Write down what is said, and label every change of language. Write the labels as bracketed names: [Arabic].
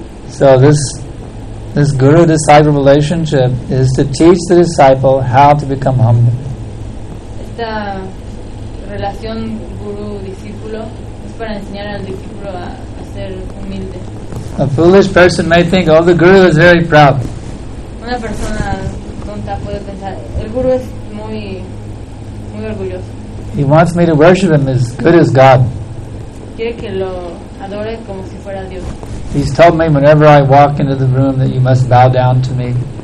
[English] So this guru-disciple relationship is to teach the disciple how to become humble. [Spanish] Esta relación guru-discípulo es para enseñar al discípulo a ser humilde. [English] A foolish person may think, oh, the guru is very proud. [Spanish] Una persona tonta puede pensar, el guru es muy orgulloso. [English] He wants me to worship him as good as God. [Spanish] Quiere que lo adore como si fuera Dios. [English] He's told me whenever I walk into the room that you must bow down to me.